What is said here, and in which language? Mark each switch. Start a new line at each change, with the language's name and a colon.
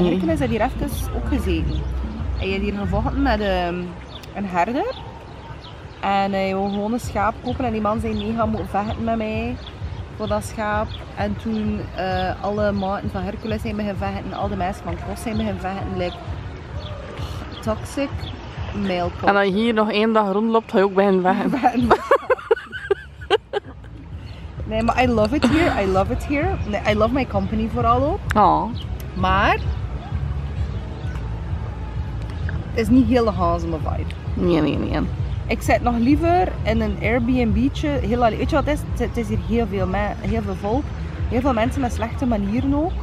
Dutch: Eigenlijk is dat hier even ook gezeten. En je hebt hier gevochten met een herder. En hij wil gewoon een schaap kopen. En die man zei: nee, ga moet vechten met mij voor dat schaap. En toen alle maten van Hercules zijn beginnen vechten. Al de mensen van Kos zijn beginnen vechten.
English: Like, toxic male culture.
Dutch: En als je hier nog één dag rondloopt, ga je ook bij hen vechten. Nee, maar
English: I love it here. I love it here. I love my company
Dutch: vooral ook. Oh. Maar het is niet heel de hazeme vibe. Nee. Ik zit nog liever in een Airbnb'tje. Heel alleen. Weet je wat het is? Het is hier heel veel volk. Heel veel mensen met slechte manieren ook.